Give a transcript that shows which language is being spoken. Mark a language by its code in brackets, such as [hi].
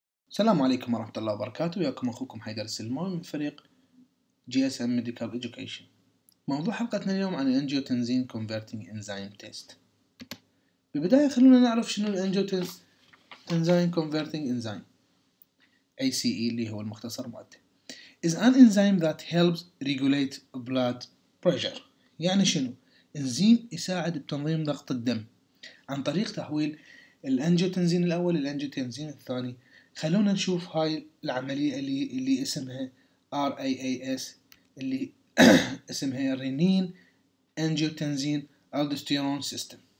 [ar] السلام عليكم ورحمة الله وبركاته، وياكم أخوكم حيدر السلموي من فريق GSM Medical Education. موضوع حلقتنا اليوم عن Angiotensin Converting Enzyme Test. ببداية خلونا نعرف شنو Angiotensin Converting Enzyme ACE اللي هو المختصر مالته. [en] Is an enzyme that helps regulate blood pressure. [ar] يعني شنو؟ إنزيم يساعد بتنظيم ضغط الدم عن طريق تحويل الأنجيوتنسين الأول للأنجيوتنسين الثاني. خلونا نشوف هاي العملية اللي اسمها RAAS، اللي اسمها رينين أنجيوتنسين ألدوستيرون سيستم.